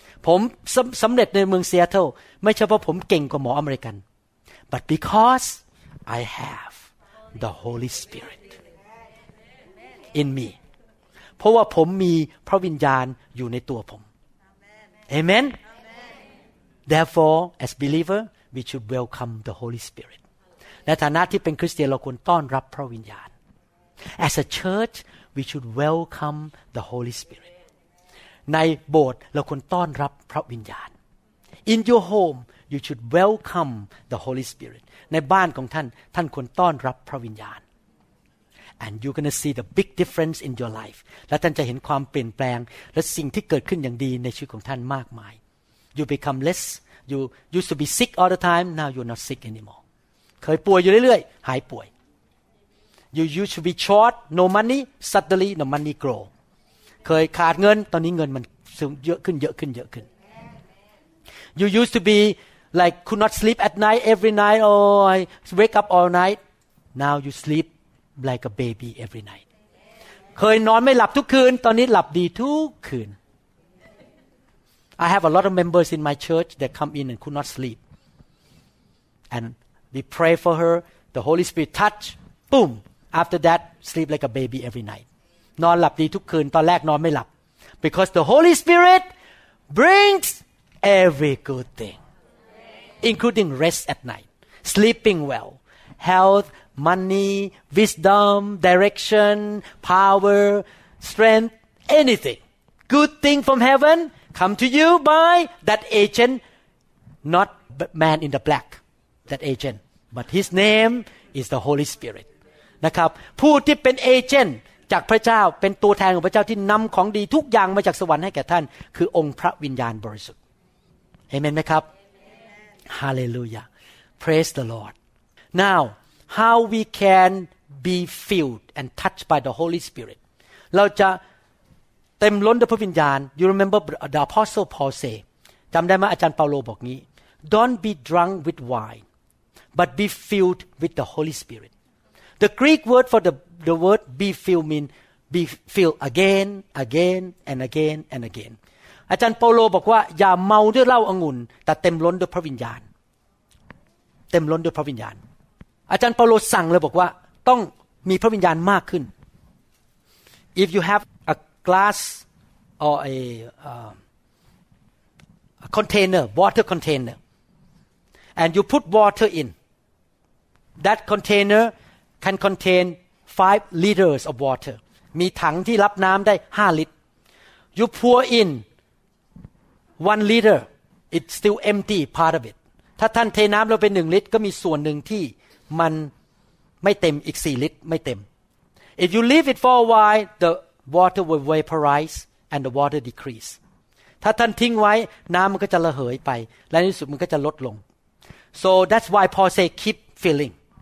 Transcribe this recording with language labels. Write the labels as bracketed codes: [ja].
[th] ผมสำเร็จในเมืองซีแอตเทิลไม่ใช่เพราะผมเก่งกว่าหมออเมริกัน [en] but because I have the Holy Spirit in me. [th] เพราะว่าผมมีพระวิญญาณอยู่ในตัวผม Amen. [en] Therefore, as believer, we should welcome the Holy Spirit. [th] ในฐานะที่เป็นคริสเตียนเราควรต้อนรับพระวิญญาณ [en] As a church, we should welcome the Holy Spirit. [th] ในโบสถ์เราควรต้อนรับพระวิญญาณ [en] In your home, you should welcome the Holy Spirit. [th] ในบ้านของท่านท่านควรต้อนรับพระวิญญาณ [en] And you're going to see the big difference in your life. [th] และท่านจะเห็นความเปลี่ยนแปลงและสิ่งที่เกิดขึ้นอย่างดีในชีวิตของท่านมากมาย [en] You become less. You used to be sick all the time. Now you're not sick anymore. [th] เคยป่วยอยู่เรื่อยๆหายป่วย [en] You used to be short. No money. Suddenly, the money grow. [th] เคยขาดเงินตอนนี้เงินมันเยอะขึ้นเยอะขึ้นเยอะขึ้น [en] You used to be like could not sleep at night every night. Oh, I wake up all night. Now you sleep like a baby every night. [th] เคยนอนไม่หลับทุกคืนตอนนี้หลับดีทุกคืน [en] I have a lot of members in my church that come in and could not sleep. And we pray for her. The Holy Spirit touch. Boom. After that, sleep like a baby every night. [th] นอนหลับดีทุกคืนตอนแรกนอนไม่หลับ [en] Because the Holy Spirit brings every good thing. Including rest at night. Sleeping well. Health, money, wisdom, direction, power, strength, anything. Good thing from heaven. Come to you by that agent, not man in the black, that agent. But his name is the Holy Spirit. [th] นะครับผู้ที่เป็นเอเจนต์จากพระเจ้าเป็นตัวแทนของพระเจ้าที่นำของดีทุกอย่างมาจากสวรรค์ให้แก่ท่านคือองค์พระวิญญาณบริสุทธิ์ Amen ไหมครับ Hallelujah. [en] Praise the Lord. Now, how we can be filled and touched by the Holy Spirit? [th] เราจะเต็มล้นด้วยพระวิญญาณ [en] You remember the Apostle Paul say [th] จำได้ไหมอาจารย์เปาโลบอกงี้ [en] Don't be drunk with wine but be filled with the Holy Spirit The Greek word for the word be filled mean be filled again again and again and again [th] อาจารย์เปาโลบอกว่าอย่าเมาด้วยเหล้าองุ่นแต่เต็มล้นด้วยพระวิญญาณ เต็มล้นด้วยพระวิญญาณอาจารย์เปาโลสั่งเลยบอกว่าต้องมีพระวิญญาณมากขึ้น [en] If you haveglass or a container, water container, and you put water in, that container can contain 5 liters of water. [th] มีถังที่รับน้ำได้5 liters. [en] You pour in 1 liter, it's still empty part of it. [th] ถ้าท่านเทน้ำลงไป1 liter, ก็มีส่วนหนึ่งที่มันไม่เต็มอีก4 liters ไม่เต็ม [en] If you leave it for a while, thewater will vaporize and the water decrease [th] ถ้าท่านทิ้งไว้น้ำมันก็จะระเหยไปและในสุดมันก็จะลดลง [en] so that's why Paul say keep filling